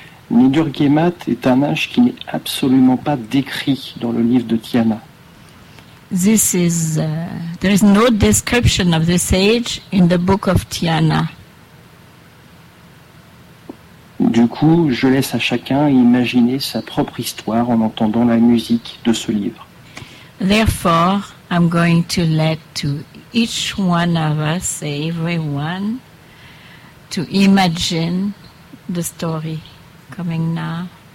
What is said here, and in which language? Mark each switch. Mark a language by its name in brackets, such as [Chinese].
[French] Nidur Gemat est un âge qui n'est absolument pas décrit dans le livre de Tiana. [English] There is no description of this age in the book of Tiana. [French] Du coup, je laisse à chacun imaginer sa propre histoire en entendant la musique de ce livre. [English] Therefore, I'm going to let to each one of us, everyone, to imagine the story coming now.